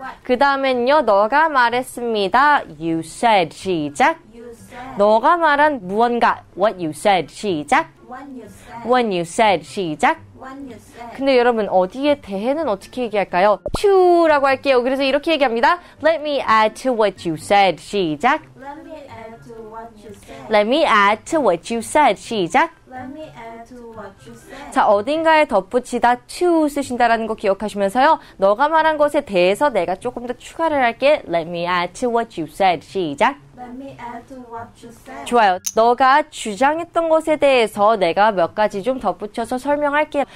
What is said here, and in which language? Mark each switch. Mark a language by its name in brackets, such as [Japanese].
[Korean] 그 다음엔요, 너가 말했습니다. [English] You said, 시작. You said. [Korean] 너가 말한 무언가. [English] What you said, [Korean] 시작. [English] When you said, when you said 시작. When you said. [Korean] 근데 여러분, 어디에 대해는 어떻게 얘기할까요? To 라고 할게요. 그래서 이렇게 얘기합니다. [English] Let me add to what you said, 시작. Let me add to what you said. Let me add to what you said, 시작. Let me add to what you said. [Korean] 자, 어딘가에 덧붙이다 to 쓰신다라는 거 기억하시면서요. 너가 말한 것에 대해서 내가 조금 더 추가를 할게. [English] Let me add to what you said. 시작. Let me add to what you said. [Korean] 좋아요. 너가 주장했던 것에 대해서 내가 몇 가지 좀 덧붙여서 설명할게요.